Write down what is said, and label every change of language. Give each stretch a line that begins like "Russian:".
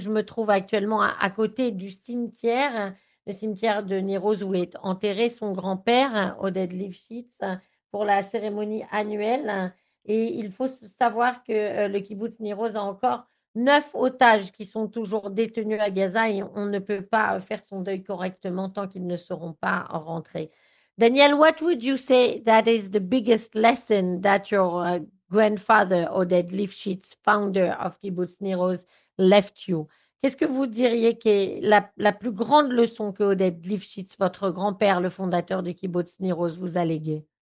French: Je me trouve actuellement à côté du cimetière, le cimetière de Nir Oz où est enterré son grand-père, Oded Lifshitz, pour la cérémonie annuelle. Et il faut savoir que le kibbutz Nir Oz a encore 9 otages qui sont toujours détenus à Gaza et on ne peut pas faire son deuil correctement tant qu'ils ne seront pas rentrés.
English: Daniel, what would you say that is the biggest lesson that your grandfather, Oded Lifshitz, founder of Kibbutz Nir Oz, left you?
French: Qu'est-ce que vous diriez qui est la plus grande leçon que Oded Lifshitz, votre grand-père, le fondateur du Kibbutz Nir Oz, vous a légué?